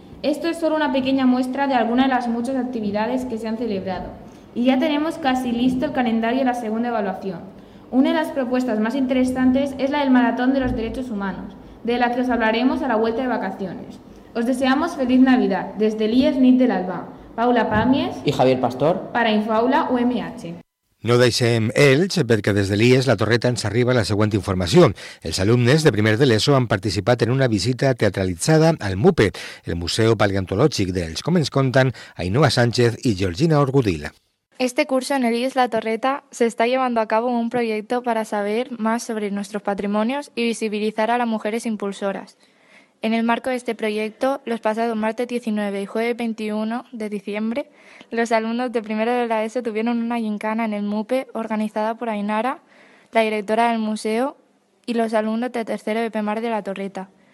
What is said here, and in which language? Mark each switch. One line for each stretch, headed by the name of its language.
Spanish: Esto es solo una pequeña muestra de algunas de las muchas actividades que se han celebrado. Y ya tenemos casi listo el calendario de la segunda evaluación. Una de las propuestas más interesantes es la del Maratón de los Derechos Humanos, de la que os hablaremos a la vuelta de vacaciones. Os deseamos feliz Navidad desde el IES NIT del ALBA. Paula Pàmies y Javier Pastor para InfoAula UMH.
Catalan: No deixem ells, perquè des de l'IES la Torreta ens arriba la següent informació. Els alumnes de primer de l'ESO han participat en una visita teatralitzada al MUPE, el Museu Paleontològic d'Elx, com ens conten Ainhoa Sánchez i Georgina Orgudila.
Spanish: Este curso en el IES La Torreta se está llevando a cabo un proyecto para saber más sobre nuestros patrimonios y visibilizar a las mujeres impulsoras. En el marco de este proyecto, los pasados martes 19 y jueves 21 de diciembre, los alumnos de primero de la ESO tuvieron una gincana en el MUPE organizada por Ainara, la directora del museo, y los alumnos de tercero de PEMAR de La Torreta.